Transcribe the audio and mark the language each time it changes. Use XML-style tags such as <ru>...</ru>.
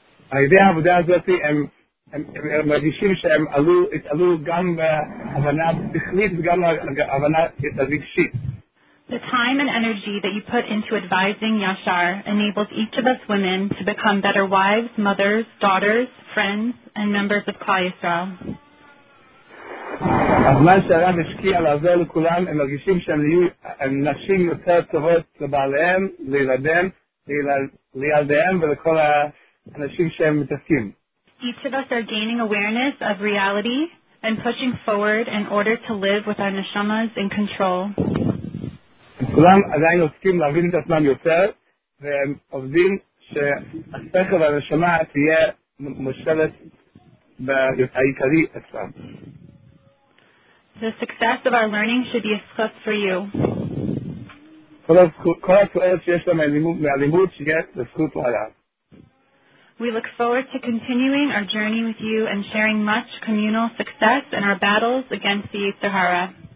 <en>The time and energy that you put into advising Yashar enables each of us women to become better wives, mothers, daughters, friends, and members of Klal Yisrael.</en> <he>הזמן שהרב השקיע לעזור לכולם, הם מרגישים שהם יהיו נשים יותר טובות לבעליהם, לילדיהם, לילדיהם ולכל האנשים שהם מתעסקים.</he> <en>Each of us are gaining awareness of reality and pushing forward in order to live with our neshamas in control.</en> <he>כולם עדיין עוסקים להבין את עצמם יותר, והם עובדים שהשכל והנשמה תהיה מושלת העיקרי אצלם.</he> <en>The success of our learning should be a schut for you. We look forward to continuing our journey with you and sharing much communal success in our battles against the Yetzer Hara.</en>